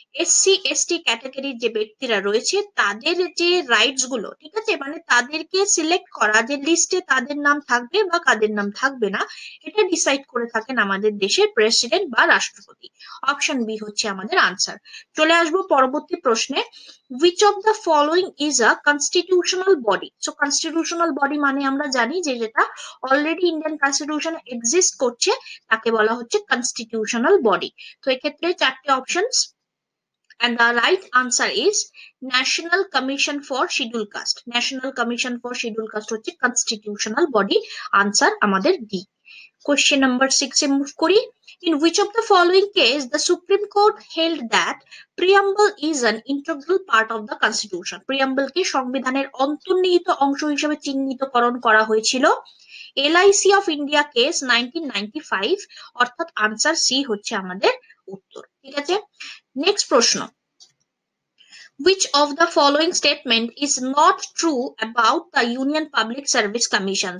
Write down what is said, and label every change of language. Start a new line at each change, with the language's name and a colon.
Bangla: SC ST ক্যাটাগরির যে ব্যক্তিরা রয়েছে তাদের যে রাইটস গুলো, ঠিক আছে, মানে তাদেরকে সিলেক্ট করা যে লিস্টে তাদের নাম থাকবে বা কাদের নাম থাকবে না, এটা ডিসাইড করে থাকেন আমাদের দেশের প্রেসিডেন্ট বা রাষ্ট্রপতি। অপশন বি হচ্ছে আমাদের আনসার। চলে আসবো পরবর্তী প্রশ্নে,
English: Which of the following is a constitutional body.
Bangla: So constitutional body মানে আমরা জানি যে যেটা অলরেডি ইন্ডিয়ান কনস্টিটিউশন এক্সিস্ট করছে তাকে বলা হচ্ছে কনস্টিটিউশনাল বডি। তো এক্ষেত্রে 4টি options,
English: and the right answer is National Commission for Scheduled Caste.
Bangla: National Commission for Scheduled Caste হচ্ছে constitutional body, answer আমাদের D.
English: Question number 6 এ move করি, in which of the following case the Supreme Court held that preamble is an integral part of the constitution.
Bangla: Preamble কে সংবিধানের অন্তর্নিহিত অংশ হিসেবে চিহ্নিতকরণ করা হয়েছিল। LIC of India case 1995, অর্থাৎ answer C হচ্ছে আমাদের উত্তর, ঠিক আছে? নেক্সট প্রশ্ন,
English: Which of the following statement is not true about the union public service commission.